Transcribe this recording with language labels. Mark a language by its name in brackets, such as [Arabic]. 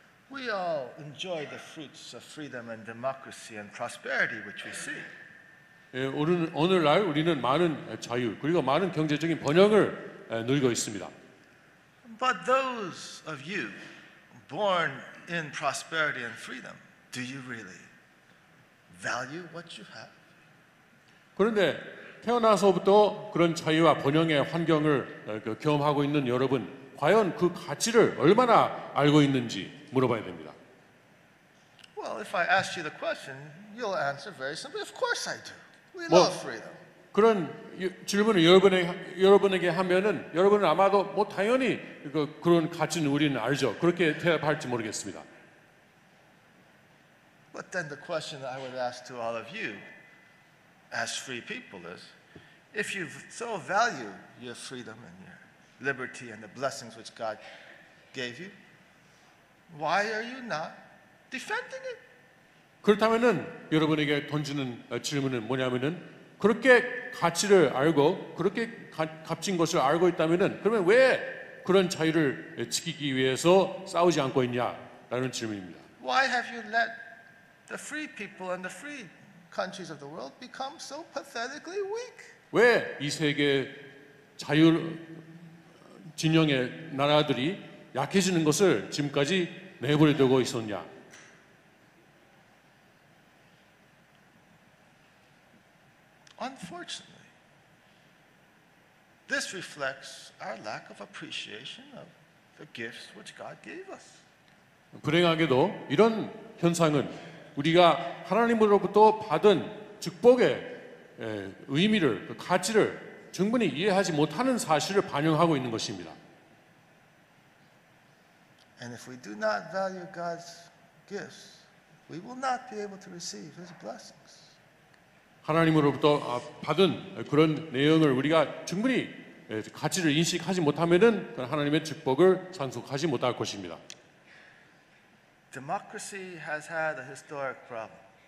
[English] We all enjoy the fruits of freedom and democracy and prosperity which we see. [Korean] 오늘날 우리는 많은 자유 그리고 많은 경제적인 번영을 누리고 있습니다. [English] But those of you born in prosperity and freedom Do you really value what you have? [Korean] 그런데 태어나서부터 그런 자유와 번영의 환경을 경험하고 있는 여러분, 과연 그 가치를 얼마나 알고 있는지 물어봐야 됩니다. [English] Well, if I ask you the question, you'll answer very simply. Of course I do. We love freedom. [Korean] 그런 질문을 여러분에게 하면은 여러분은 아마도 뭐 당연히 그런 가치는 우리는 알죠. 그렇게 대답할지 모르겠습니다. [English] But then the question I would ask to all of you as free people is, if you so value your freedom and your liberty and the blessings which God gave you, why are you not defending it? [Korean] 그렇다면은 여러분에게 던지는 질문은 뭐냐면은 그렇게 가치를 알고 그렇게 값진 것을 알고 있다면은 그러면 왜 그런 자유를 지키기 위해서 싸우지 않고 있냐라는 질문입니다. [English] Why have you let the free people and the free countries of the world become so pathetically weak? [Korean] 왜 이 세계 자유 진영의 나라들이 약해지는 것을 지금까지 내버려 두고 있었냐? [English] Unfortunately, this reflects our lack of appreciation of the gifts which God gave us. [Korean] 불행하게도 이런 현상은 우리가 하나님으로부터 받은 축복의 의미를, 그 가치를 충분히 이해하지 못하는 사실을 반영하고 있는 것입니다. [English] And if we do not value God's gifts, we will not be able to receive His blessings. [Korean] 하나님으로부터 받은 그런 내용을 우리가 충분히 가치를 인식하지 못하면은 하나님의 축복을 상속하지 못할 것입니다. [English] Democracy has had a historic problem.